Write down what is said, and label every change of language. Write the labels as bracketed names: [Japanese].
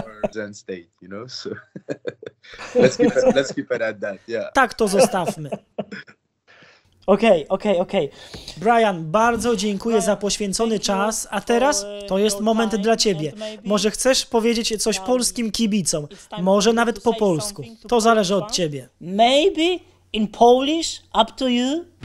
[English] Zen state, you know, so let's keep it at that, yeah. [Polish] Tak to zostawmy. Okej. Brian, bardzo dziękuję za poświęcony czas, a teraz to jest moment dla ciebie. Może chcesz powiedzieć coś polskim kibicom, może nawet po polsku. To zależy od ciebie. [English] Maybe in Polish, up to you.